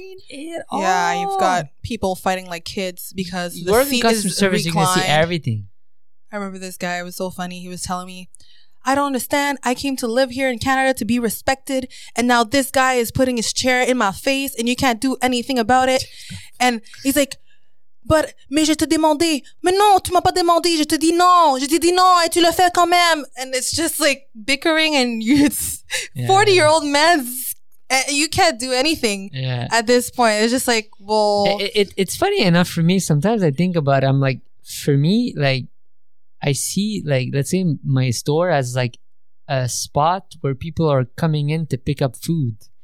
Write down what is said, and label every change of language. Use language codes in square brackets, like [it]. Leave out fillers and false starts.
[en] Yeah, you've got people fighting like kids because the working customer is service, reclined. You can see everything. I remember this guy, it was so funny. He was telling me, I don't understand. I came to live here in Canada to be respected, and now this guy is putting his chair in my face, and you can't do anything about it. And he's like, [fr] but mais je te demandé, mais non, tu m'as pas demandé, je te dis non, et tu le fais quand même. [en] And it's just like bickering, and it's 40-year-old men. You can't do anything at this point. It's just like, well, it's funny enough for me. Sometimes I think about it, I'm like, for me, like, I see, like, let's say my store as like a spot where people are coming in to pick up food.